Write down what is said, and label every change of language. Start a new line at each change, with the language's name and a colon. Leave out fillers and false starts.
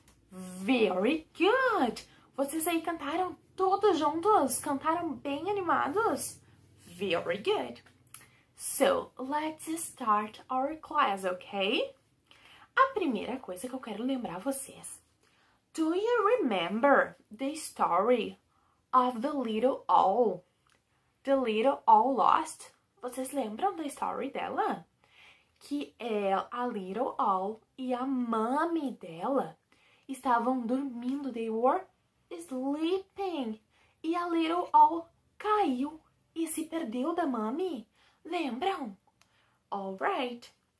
English: Very good!
Portuguese: Vocês aí cantaram todos juntos? Cantaram bem animados?
English: Very good! So, let's start our class, okay?
Portuguese: A primeira coisa que eu quero lembrar vocês.
English: Do you remember the story of the little owl? The little owl lost?
Portuguese: Vocês lembram da história dela? Que a little owl e a mami dela estavam dormindo.
English: They were sleeping.
Portuguese: E a little owl caiu e se perdeu da mami. Lembram?
English: Alright.